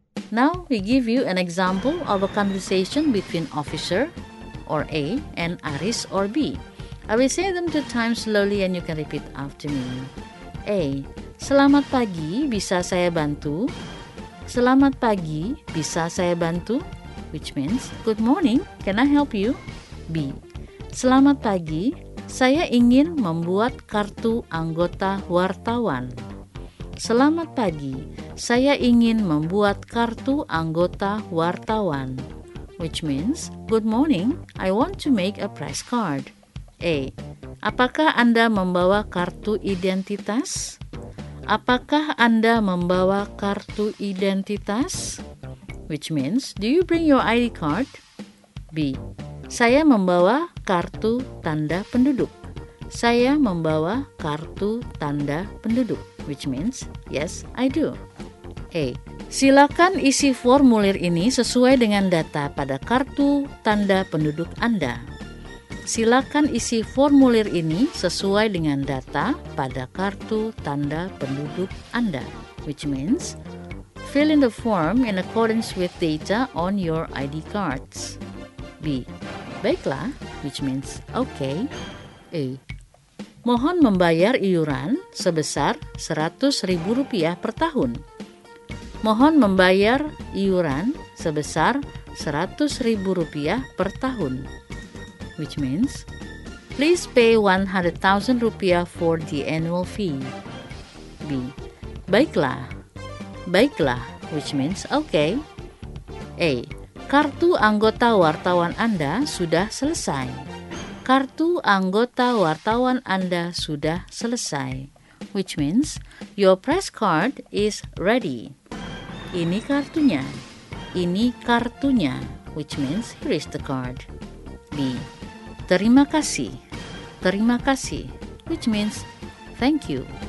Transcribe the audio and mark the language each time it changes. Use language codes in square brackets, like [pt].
[en] Now we give you an example of a conversation between officer or A and Aris or B. I will say them 2 times slowly and you can repeat after me. A. [id] Selamat pagi, bisa saya bantu? Selamat pagi, bisa saya bantu? [en] Which means, good morning, can I help you? B. [id] Selamat pagi, saya ingin membuat kartu anggota wartawan. Selamat pagi, saya ingin membuat kartu anggota wartawan. [en] Which means, good morning, I want to make a press card. A. [id] Apakah Anda membawa kartu identitas? Apakah Anda membawa kartu identitas? [en] Which means, do you bring your ID card? [id] B. Saya membawa kartu tanda penduduk. Saya membawa kartu tanda penduduk. [en] Which means, yes, I do. A. [id] Silakan isi formulir ini sesuai dengan data pada kartu tanda penduduk Anda. Silakan isi formulir ini sesuai dengan data pada kartu tanda penduduk Anda. [en] Which means, fill in the form in accordance with data on your ID cards. B. [id] Baiklah, [en] which means, okay. [id] A. Mohon membayar iuran sebesar Rp100.000 per tahun. Mohon membayar iuran sebesar Rp100.000 per tahun. [en] Which means, please pay Rp100.000 for the annual fee. B. [id] Baiklah. Baiklah, [en] which means, okay. A. [id] Kartu anggota wartawan Anda sudah selesai. Kartu anggota wartawan Anda sudah selesai. [en] Which means, your press card is ready. [id] Ini kartunya. Ini kartunya. [en] Which means, here is the card. [id] B. Terima kasih. Terima kasih. [en] Which means, thank you.